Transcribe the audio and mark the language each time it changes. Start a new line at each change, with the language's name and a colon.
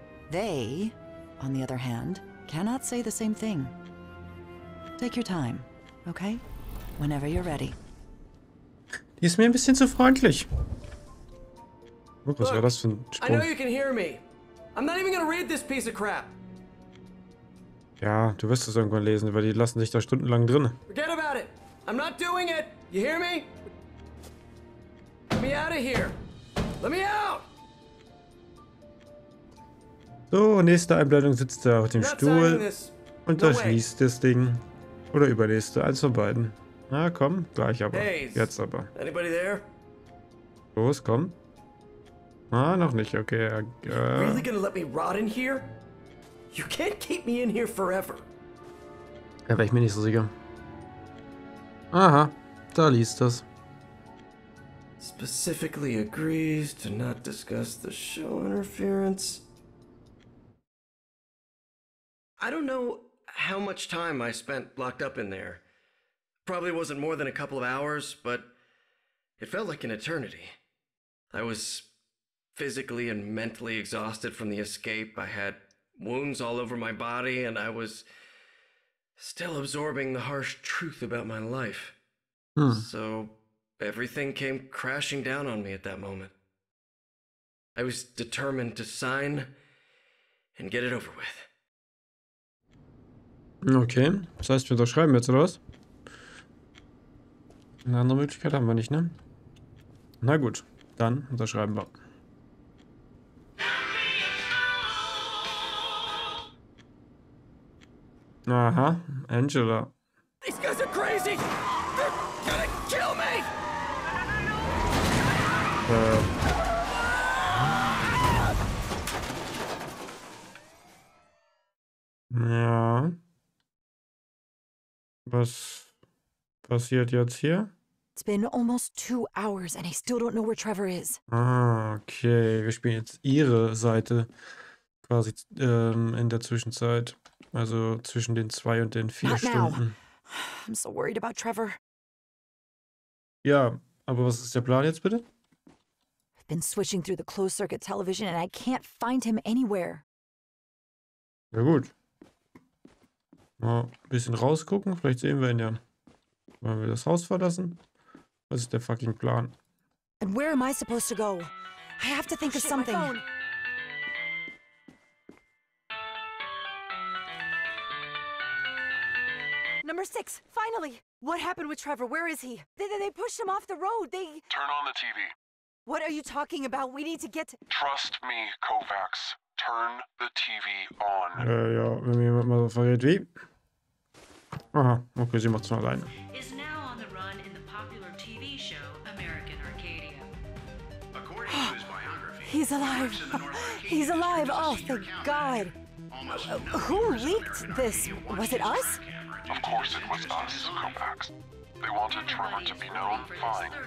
English: They, on the other hand, cannot say the same thing. Take your time, okay? Whenever you're ready.
German: Die ist mir ein bisschen zu freundlich. Was war das für ein
English: I know you can hear me. I'm not even gonna read this piece of crap.
German: Ja, du wirst es irgendwann lesen, weil die lassen sich da stundenlang drin.
English: Forget about it. I'm not doing it. You hear me? Let me out of here. Let me out.
German: So, nächste Einblendung sitzt er auf dem Stuhl und da schließt das Ding. Oder übernächste, eins von beiden. Na komm, gleich aber. Hey, jetzt aber.
English: Anybody there?
German: Los, komm. Ah, noch nicht, okay.
English: Really gonna let me rot in here? You can't keep me in here forever.
German: Da wäre ich mir nicht so sicher. Aha, da liest das.
English: specifically agrees to not discuss the show interference. I don't know how much time I spent locked up in there. Probably wasn't more than a couple of hours, but it felt like an eternity. I was physically and mentally exhausted from the escape. I had wounds all over my body, and I was still absorbing the harsh truth about my life. So everything came crashing down on me at that moment. I was determined to sign and get it over with.
German: Okay, das heißt, wir unterschreiben jetzt, oder was? Eine andere Möglichkeit haben wir nicht, ne? Na gut, dann unterschreiben wir. Aha, Angela.
English: These guys are crazy! They're gonna kill me!
German: Ja. Was passiert jetzt hier?
English: It's been almost 2 hours and I still don't know where Trevor is.
German: Ah, okay. Wir spielen jetzt ihre Seite quasi in der Zwischenzeit. Also zwischen den 2 und den 4
English: Not
German: Stunden.
English: Now. I'm so worried about Trevor.
German: Ja, aber was ist der Plan jetzt bitte?
English: I've been switching through the closed circuit television and I can't find him anywhere.
German: Na gut. Mal ein bisschen rausgucken, vielleicht sehen wir ihn ja. Wollen wir das Haus verlassen? Was ist der fucking Plan?
English: And where am I supposed to go? I have to think of something. Number 6, finally! What happened with Trevor? Where is he? They pushed him off the road, they... Turn on the TV. What are you talking about? We need to get... Trust me, Kovacs. Turn the TV on.
German: Ja, wenn mir jemand mal so verrät, wie? Aha, okay, sie macht's nur alleine.
English: ...is now on the run in the popular TV show American Arcadia. According to his biography... He's alive! He's alive! Oh, thank God! Who leaked this? Was it us? Of course it was us, Kovacs. They wanted Trevor to be known? Fine.